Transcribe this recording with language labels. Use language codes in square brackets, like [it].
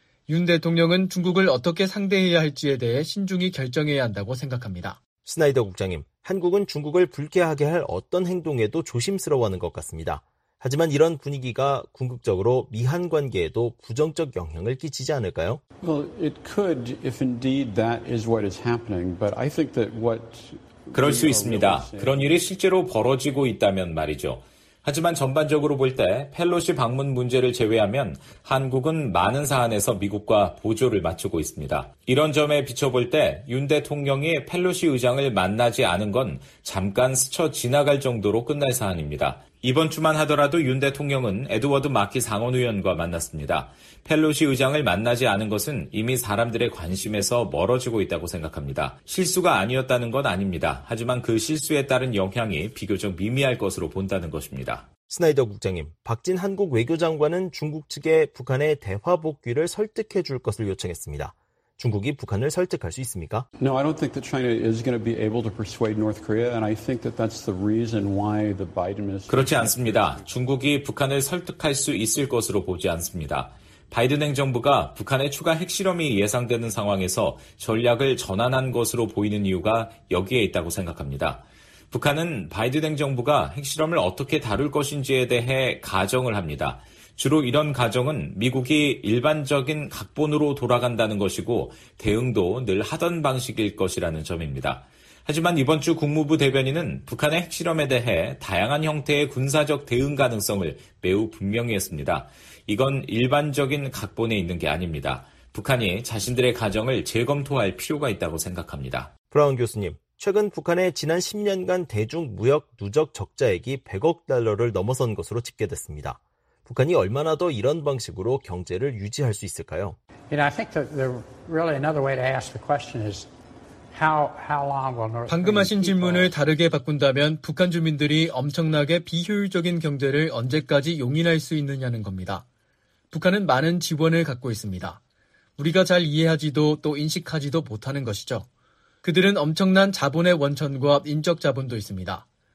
[ko] 윤 대통령은 중국을 어떻게 상대해야 할지에 대해 신중히 결정해야 한다고 생각합니다. 스나이더 국장님, 한국은 중국을 불쾌하게 할 어떤 행동에도 조심스러워하는 것 같습니다. 하지만 이런 분위기가 궁극적으로 미한 관계에도 부정적 영향을 끼치지 않을까요? [en] Well, it could if indeed that is what is happening, but I think that what [ko] 그럴 수 있습니다. 그런 일이 실제로 벌어지고 있다면 말이죠. 하지만 전반적으로 볼 때 펠로시 방문 문제를 제외하면 한국은 많은 사안에서 미국과 보조를 맞추고 있습니다. 이런 점에 비춰볼 때 윤 대통령이 펠로시 의장을 만나지 않은 건 잠깐 스쳐 지나갈 정도로 끝날 사안입니다. 이번 주만 하더라도 윤 대통령은 에드워드 마키 상원의원과 만났습니다. 펠로시 의장을 만나지 않은 것은 이미 사람들의 관심에서 멀어지고 있다고 생각합니다. 실수가 아니었다는 건 아닙니다. 하지만 그 실수에 따른 영향이 비교적 미미할 것으로 본다는 것입니다. 스나이더 국장님, 박진 한국 외교장관은 중국 측에 북한의 대화 복귀를 설득해 줄 것을 요청했습니다. 중국이 북한을 설득할 수 있습니까? [en] No, I don't think that China is going to be able to persuade North Korea, and I think that that's the reason why the Biden administration. [ko] 그렇지 않습니다. 중국이 북한을 설득할 수 있을 것으로 보지 않습니다. 바이든 행정부가 북한의 추가 핵실험이 예상되는 상황에서 전략을 전환한 것으로 보이는 이유가 여기에 있다고 생각합니다. 북한은 바이든 행정부가 핵실험을 어떻게 다룰 것인지에 대해 가정을 합니다. 주로 이런 가정은 미국이 일반적인 각본으로 돌아간다는 것이고 대응도 늘 하던 방식일 것이라는 점입니다. 하지만 이번 주 국무부 대변인은 북한의 핵실험에 대해 다양한 형태의 군사적 대응 가능성을 매우 분명히 했습니다. 이건 일반적인 각본에 있는 게 아닙니다. 북한이 자신들의 가정을 재검토할 필요가 있다고 생각합니다. 브라운 교수님, 최근 북한의 지난 10년간 대중무역 누적 적자액이 100억 달러를 넘어선 것으로 집계됐습니다. 북한이 얼마나 더 이런 방식으로 경제를 유지할 수 있을까요? [en] You know, I think that the really another way to ask the question is how long will North [ko] 방금 하신 질문을 다르게 바꾼다면 북한 주민들이 엄청나게 비효율적인 경제를 언제까지 용인할 수 있느냐는 겁니다. 북한은 많은 지원을 갖고 있습니다. 우리가 잘 이해하지도 또 인식하지도 못하는 것이죠. 그들은 엄청난 자본의 원천과 인적 자본도 있습니다.